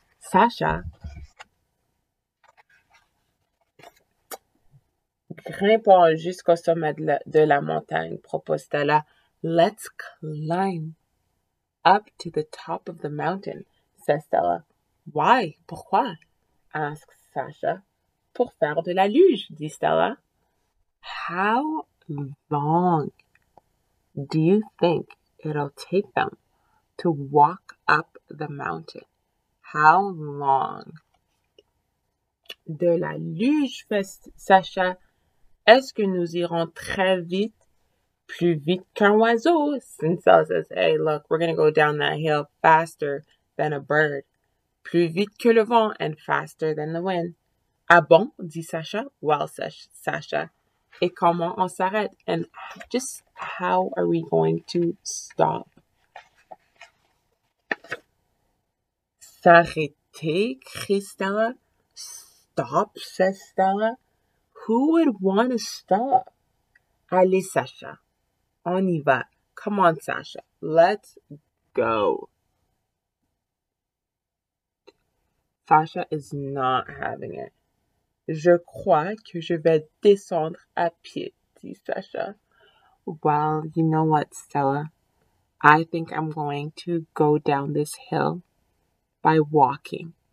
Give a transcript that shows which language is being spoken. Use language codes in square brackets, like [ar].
[fr] Sacha grimpons jusqu'au sommet de la montagne, propose Stella. [en] Let's climb up to the top of the mountain, says Stella. Why? [fr] Pourquoi? [en] Asks Sasha. [fr] Pour faire de la luge, dit Stella. [en] How long do you think it'll take them to walk up the mountain? How long? [fr] De la luge, fait Sacha. Est-ce que nous irons très vite, plus vite qu'un oiseau? [en] Since Stella says, hey, look, we're going to go down that hill faster than a bird. [fr] Plus vite que le vent [en] and faster than the wind. [fr] Ah bon? Dit Sacha. [en] Well, says [fr] Sacha. Et comment on s'arrête? [en] And just how are we going to stop? [fr] S'arrêter, crie Stella. [en] Stop, says [fr] Stella. [en] Who would want to stop? [fr] Allez, Sacha. On y va. [en] Come on, Sacha. Let's go. Sacha is not having it. [fr] Je crois que je vais descendre à pied, dit Sacha. [en] Well, you know what, Stella? I think I'm going to go down this hill by walking.